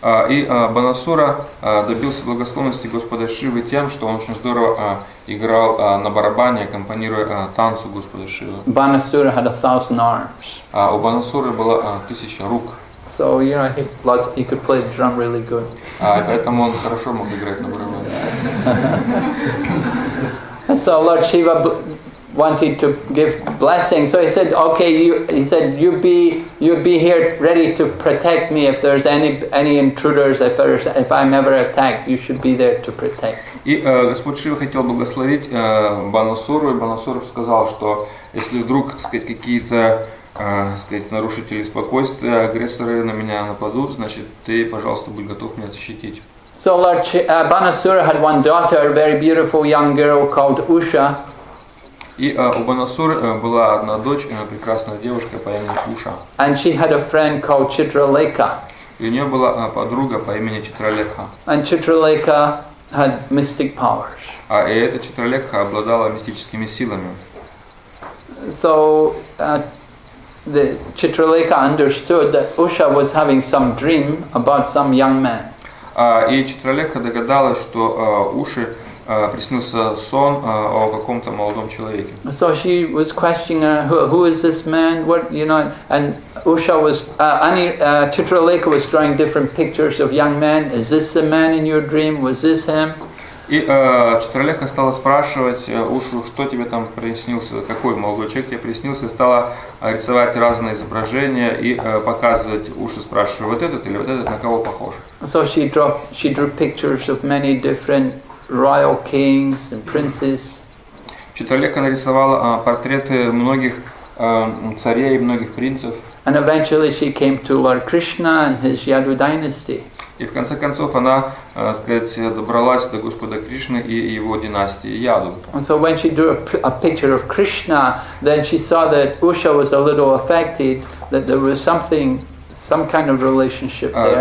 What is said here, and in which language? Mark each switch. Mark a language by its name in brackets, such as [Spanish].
[Russian] И Банасура добился благосклонности Господа Шивы тем, что он очень здорово играл на барабане, аккомпанируя танцу Господа Шивы. [English] Банасура had 1,000 arms. [Russian] У Банасуры было 1,000 рук. [English] So you know he could play the drum really good. [Russian] Поэтому он хорошо мог играть на барабане. [English] So Lord Shiva wanted to give blessing, so he said, "Okay, you be here, ready to protect me if there's any intruders. If I'm ever attacked, you should be there to protect." [Russian] И Господь Шива хотел благословить Банасуру, и Банасуру сказал, что если вдруг, так сказать, какие-то, сказать, нарушители спокойствия, агрессоры на меня нападут, значит, ты, пожалуйста, будь готов меня защитить. [English] So Lord Banasura had one daughter, a very beautiful young girl called Usha. [Russian] И у Банасуры была одна дочь, прекрасная девушка по имени Уша. [English] And she had a friend called Chitraleka. [Russian] И у нее была подруга по имени Читралекха. [English] And Chitraleka had mystic powers. [Russian] И эта Читралекха обладала мистическими силами. [English] So the Chitraleka understood that Usha was having some dream about some young man. [Russian] И Читралекха догадалась, что Уши приснился сон о каком-то молодом человеке. [English] So she was questioning who is this man? What, you know, and Usha was Chitraleka was drawing different pictures of young men. Is this the man in your dream? Was this him? [Russian] И Читралека стала спрашивать Ушу, что тебе там приснился, какой молодой человек тебе приснился, и стала рисовать разные изображения и показывать Ушу, спрашивая, вот этот или вот этот, на кого похож. [English] So she drew pictures of many different royal kings and princes. [Russian] Читралека нарисовала портреты многих царей и многих принцев. [English] And eventually she came to Lord Krishna and his Yadu dynasty. [Russian] И в конце концов она, сказать, добралась до Господа Кришны и его династии Яду. [English] And so when she drew a picture of Krishna, then she saw that Usha was a little affected, that there was something, some kind of relationship there.